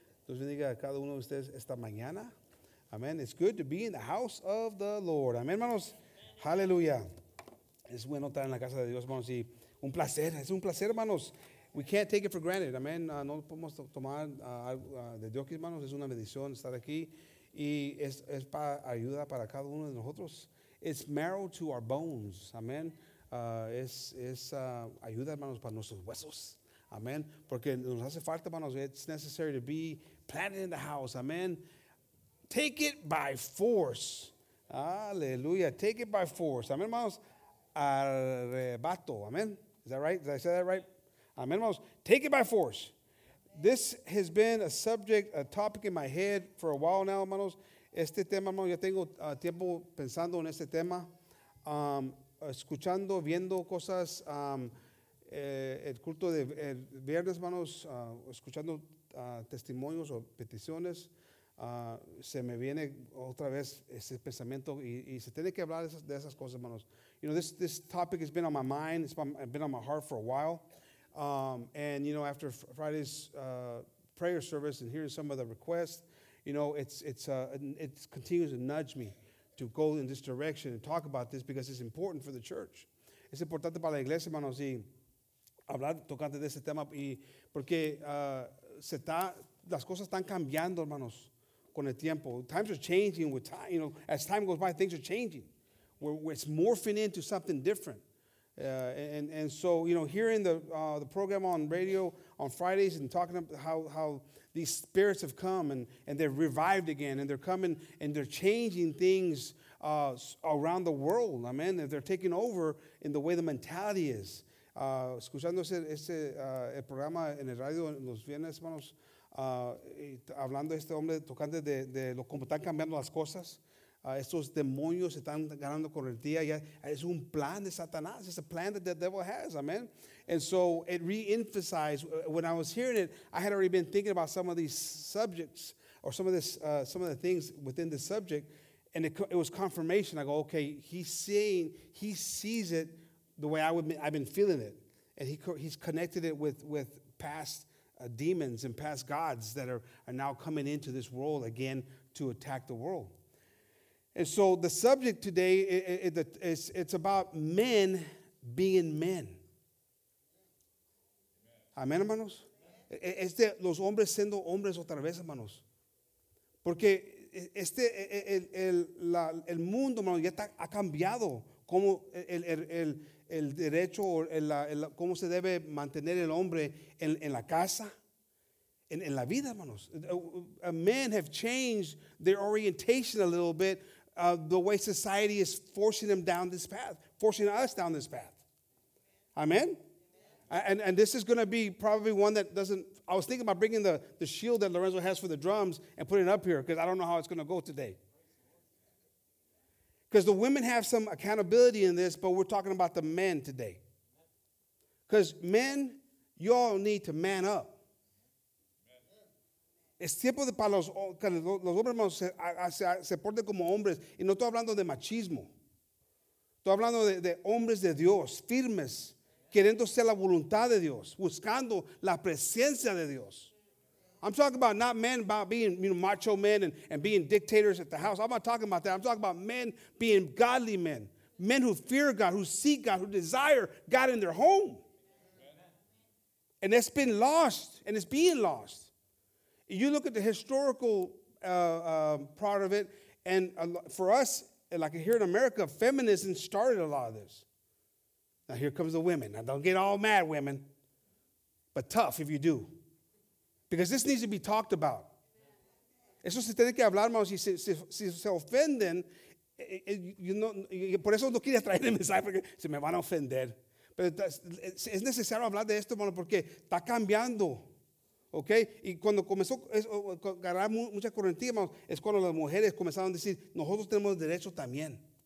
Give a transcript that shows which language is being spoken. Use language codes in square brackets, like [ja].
[es] Dios bendiga a cada uno de ustedes esta mañana. Amen. [en] It's good to be in the house of the Lord. [es] Amen, hermanos. Hallelujah. Es bueno estar en la casa de Dios, hermanos. Y un placer. Es un placer, hermanos. [en] We can't take it for granted. [es] Amen. No podemos tomar de Dios, hermanos. Es una bendición estar aquí. Y es para ayuda para cada uno de nosotros. [en] It's marrow to our bones. [es] Amen. Es ayuda, hermanos, para nuestros huesos. Amen. Porque nos hace falta, hermanos. [en] It's necessary to be planted in the house. Amen. Take it by force. Hallelujah. Take it by force. Amen, hermanos. Arrebato. Amen. Is that right? Did I say that right? Amen, hermanos. Take it by force. This has been a subject, a topic in my head for a while now, hermanos. [es] Este tema, hermanos, ya tengo tiempo pensando en este tema. Escuchando, viendo cosas. El culto de el viernes, hermanos. Escuchando testimonios o peticiones. Se me viene otra vez ese pensamiento y se tiene que hablar de esas cosas, hermanos. [en] You know, this topic has been on my mind. It's been on my heart for a while. And, you know, after Friday's prayer service and hearing some of the requests, you know, it continues to nudge me to go in this direction and talk about this because it's important for the church. [es] Es importante para la iglesia, hermanos, y hablar tocante de ese tema y porque las cosas están cambiando, hermanos. Con el tiempo, [en] times are changing with time, you know, as time goes by, things are changing. It's morphing into something different. And so, you know, hearing the program on radio on Fridays and talking about how these spirits have come and they're revived again and they're coming and they're changing things around the world. Amen. They're taking over in the way the mentality is. [es] Escuchando el programa en el radio en los viernes, hermanos. Hablando este hombre tocante de lo como están cambiando las cosas, estos demonios se están ganando con el día. Es un plan de Satanás. [en] It's a plan that the devil has. Amen. And so it re-emphasized when I was hearing it. I had already been thinking about some of these subjects or some of the things within the subject, and it was confirmation. I go, okay, he sees it the way I've been feeling it, and he's connected it with past. Demons and past gods that are now coming into this world again to attack the world. And so the subject today it's about men being men. [es] Amen, hermanos. Este los hombres siendo hombres otra vez, hermanos. Porque el mundo, hermanos, ya ha cambiado como el derecho o el cómo se debe mantener el hombre en la casa. En la vida, [en] hermanos, men have changed their orientation a little bit, the way society is forcing them down this path, forcing us down this path. Amen? And this is going to be probably one that doesn't, I was thinking about bringing the shield that Lorenzo has for the drums and putting it up here because I don't know how it's going to go today. Because the women have some accountability in this, but we're talking about the men today. Because men, y'all need to man up. [es] Es tiempo de para los hombres, hermanos, se porten como hombres. Y no estoy hablando de machismo. Estoy hablando de hombres de Dios, firmes, queriendo ser la voluntad de Dios, buscando la presencia de Dios. [en] I'm talking about not men about being, you know, macho men and being dictators at the house. I'm not talking about that. I'm talking about men being godly men, men who fear God, who seek God, who desire God in their home. And that's been lost, and it's being lost. You look at the historical part of it, and for us, like here in America, feminism started a lot of this. Now here comes the women. Now don't get all mad, women, but tough if you do. Because this needs to be talked about. [es] Eso se tiene que hablar, hermano, si se ofenden. You know, por eso no quería traer el mensaje, porque se me van a ofender. Pero es necesario hablar de esto, hermano, porque está cambiando. ¿Ok? Y cuando comenzó a ganar mucha correntía, hermano, es cuando las mujeres comenzaron a decir, nosotros tenemos derecho también.